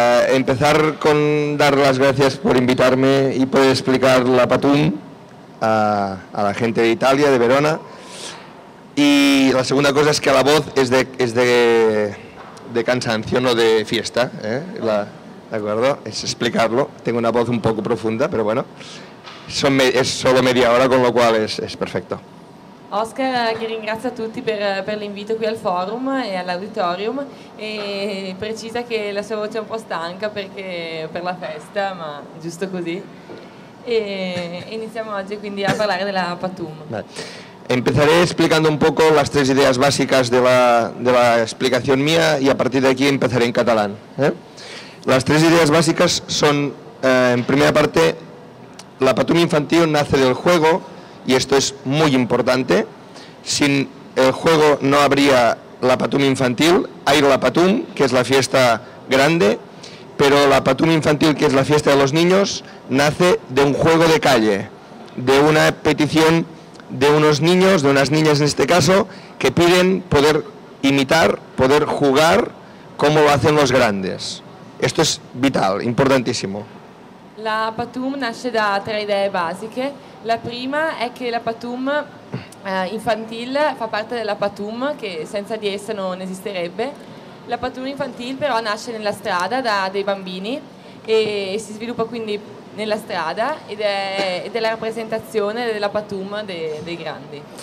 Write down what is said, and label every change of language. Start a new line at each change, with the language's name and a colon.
Spanish: Empezar con dar las gracias por invitarme y por explicar la Patum a la gente de Italia, de Verona. Y la segunda cosa es que la voz es de cansancio, no de fiesta, ¿de acuerdo? Es explicarlo. Tengo una voz un poco profunda, pero bueno, es solo media hora, con lo cual es perfecto.
Italian: Oscar, che ringrazia tutti per l'invito qui al forum e all'auditorium, e precisa che la sua voce è un po' stanca perché per la festa, ma giusto così. E iniziamo oggi quindi a parlare della Patum.
Spanish: Empezaré explicando un poco las tres ideas básicas de la explicación mía y a partir de aquí empezaré en catalán. Las tres ideas básicas son, en primera parte, la Patum Infantil nace del juego. Y esto es muy importante. Sin el juego no habría la Patum Infantil. Hay la Patum, que es la fiesta grande, pero la Patum Infantil, que es la fiesta de los niños, nace de un juego de calle, de una petición de unos niños, de unas niñas en este caso, que piden poder imitar, poder jugar como lo hacen los grandes. Esto es vital, importantísimo.
Italian: La Patum nasce da tre idee basiche. La prima è che la Patum infantil fa parte della Patum, che senza di essa non esisterebbe. La Patum infantil però nasce nella strada da dei bambini e si sviluppa quindi nella strada ed è la rappresentazione della Patum dei grandi.